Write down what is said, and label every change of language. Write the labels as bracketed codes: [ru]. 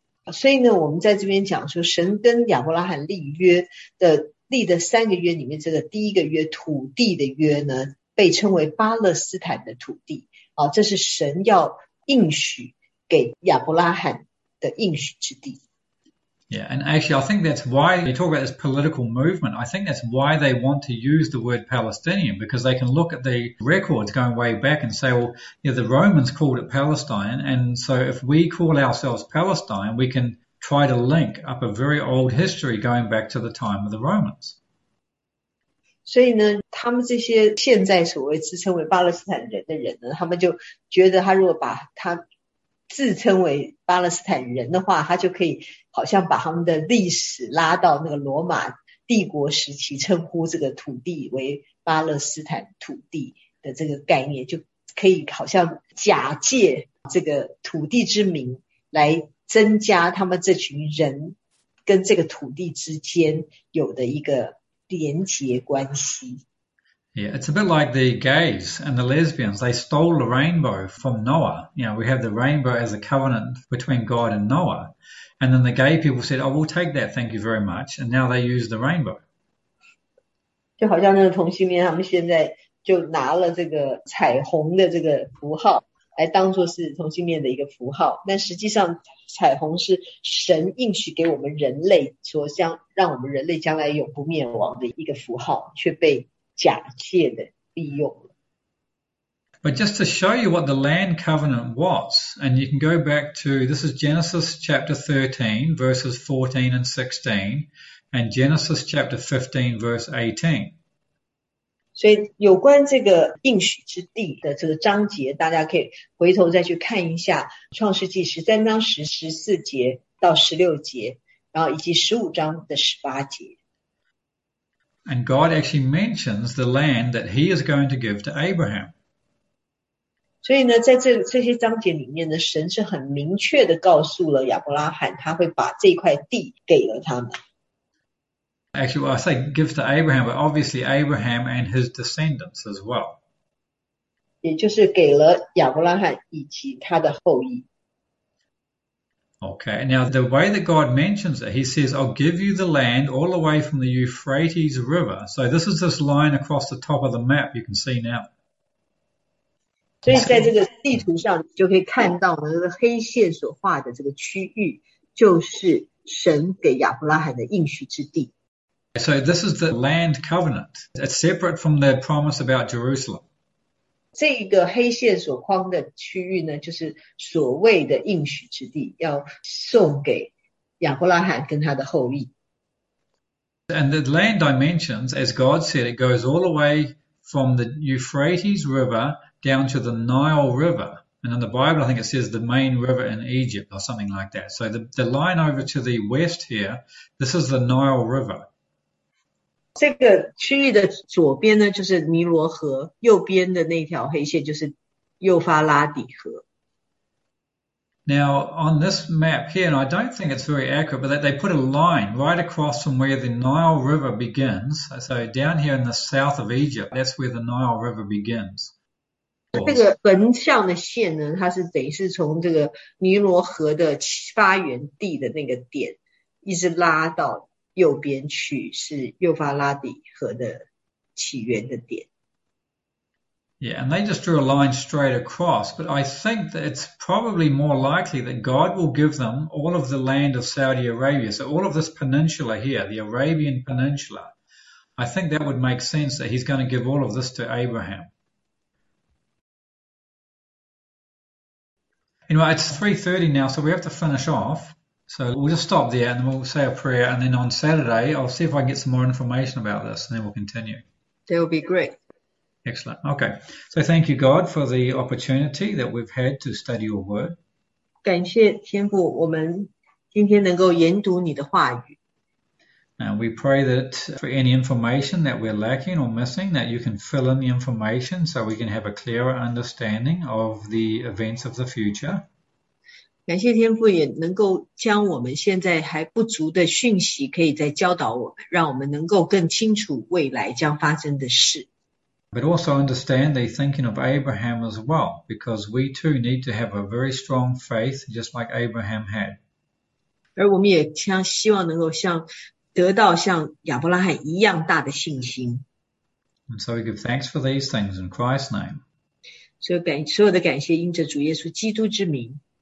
[zh] 所以呢，我们在这边讲说，神跟亚伯拉罕立的3个约里面，这个第一个约土地的约呢，被称为巴勒斯坦的土地。啊，这是神要应许给亚伯拉罕的应许之地。 [en] Yeah, and actually, I think that's why you talk about this political movement. I think that's why they want to use the word Palestinian because they can look at the records going way back and say, well, yeah, the Romans called it Palestine. And so if we call ourselves Palestine, we can try to link up a very old history going back to the time of the Romans. [zh] 所以呢，他们这些现在所谓自称为巴勒斯坦人的人呢，他们就觉得，他如果把他自称为巴勒斯坦人的话，他就可以好像把他们的历史拉到那个罗马帝国时期，称呼这个土地为巴勒斯坦土地的这个概念，就可以好像假借这个土地之名来增加他们这群人跟这个土地之间有的一个连结关系。 [en] Yeah, it's a bit like the gays and the lesbians. They stole the rainbow from Noah. You know, we have the rainbow as a covenant between God and Noah. And then the gay people said, oh, we'll take that, thank you very much. And now they use the rainbow. [zh] 就好像那个同性恋，他们现在就拿了这个彩虹的这个符号来当做是同性恋的一个符号，但实际上彩虹是神应许给我们人类说将让我们人类将来永不灭亡的一个符号，却被假借的利用了。 [en] But just to show you what the land covenant was, and you can go back to this is Genesis chapter 13, verses 14 and 16, and Genesis chapter 15, verse 18. [zh] 所以有关这个应许之地的这个章节，大家可以回头再去看一下《创世纪》十三章十十四节到十六节，然后以及十五章的十八节。 [en] And God actually mentions the land that He is going to give to Abraham. [zh] 所以呢，在这些章节里面呢，神是很明确的告诉了亚伯拉罕，他会把这块地给了他们。 [en] Actually, well, I say gives to Abraham, but obviously Abraham and his descendants as well. [zh] 也就是给了亚伯拉罕以及他的后裔。 [en] Okay, now the way that God mentions it, he says, I'll give you the land all the way from the Euphrates River. So this is this line across the top of the map you can see now. [zh] 所以在这个地图上就可以看到这个黑线所画的这个区域就是神给亚伯拉罕的应许之地。 [en] So this is the land covenant. It's separate from the promise about Jerusalem. [zh] 这一个黑线所框的区域呢，就是所谓的应许之地，要送给亚伯拉罕跟他的后裔。 [en] And the land dimensions, as God said, it goes all the way from the Euphrates River down to the Nile River. And in the Bible, I think it says the main river in Egypt or something like that. So the line over to the west here, this is the Nile River. [zh] 这个区域的左边呢，就是尼罗河，右边的那条黑线就是幼发拉底河。 [en] Now, on this map here, and I don't think it's very accurate, but they put a line right across from where the Nile River begins. So down here in the south of Egypt, that's where the Nile River begins. [zh] 这个横向的线呢，它是等于是从这个尼罗河的发源地的那个点，一直拉到右边去，是幼发拉底河的起源的点。 [en] Yeah, and they just drew a line straight across, but I think that it's probably more likely that God will give them all of the land of Saudi Arabia. So all of this peninsula here, the Arabian Peninsula, I think that would make sense that he's going to give all of this to Abraham. Anyway, it's 3:30 now, so we have to finish off. So we'll just stop there and then we'll say a prayer. And then on Saturday, I'll see if I can get some more information about this and then we'll continue. That would be great. Excellent. Okay. So thank you, God, for the opportunity that we've had to study your word. [zh] 感谢天父，我们今天能够研读你的话语。 [en] And we pray that for any information that we're lacking or missing, that you can fill in the information so we can have a clearer understanding of the events of the future. [zh] 感谢天父也能够将我们现在还不足的讯息可以再教导我们，让我们能够更清楚未来将发生的事。 [en] But also understand the thinking of Abraham as well, because we too need to have a very strong faith, just like Abraham had. [zh] 而我们也希望能够得到像亚伯拉罕一样大的信心。 [en] And so we give thanks for these things in Christ's name. [zh] 所有的感谢因着主耶稣基督之名。